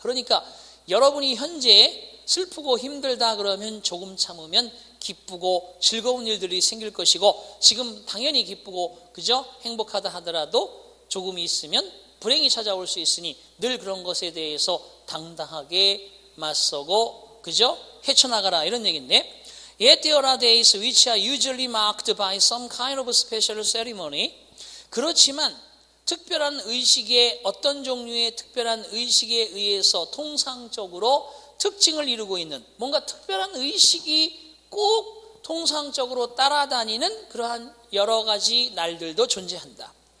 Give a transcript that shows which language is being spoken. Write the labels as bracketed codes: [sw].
[ko] 그러니까 여러분이 현재 슬프고 힘들다 그러면 조금 참으면 기쁘고 즐거운 일들이 생길 것이고 지금 당연히 기쁘고 그죠? 행복하다 하더라도 조금 있으면 불행이 찾아올 수 있으니 늘 그런 것에 대해서 당당하게 맞서고 그죠? 헤쳐나가라 이런 얘기인데 [en] Yet there are days which are usually marked by some kind of special ceremony. [ko] 그렇지만 특별한 의식의 어떤 종류의 특별한 의식에 의해서 통상적으로 특징을 이루고 있는 뭔가 특별한 의식이 꼭 통상적으로 따라다니는 그러한 여러 가지 날들도 존재한다.